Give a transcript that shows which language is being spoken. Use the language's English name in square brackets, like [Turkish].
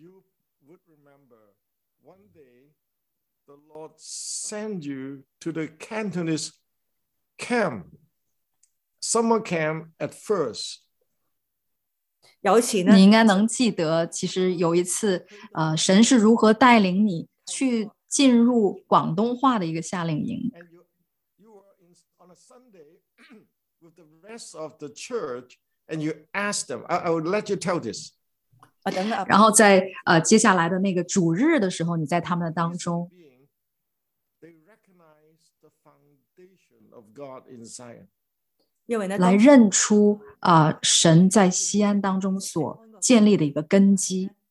[English] You would remember one day the Lord send you to the Cantonese camp, summer camp at first。 [Chinese] 你应该能记得其实有一次神是如何带领你去进入广东话的一个夏令营。 [English] You were on a Sunday with the rest of the church, and you asked them. I will let you tell this. [Chinese] 等等。然后在接下来的那个主日的时候，你在他们的当中。 [English] They recognize the foundation of God in Zion. [Chinese] 因为呢，来认出神在锡安当中所建立的一个根基。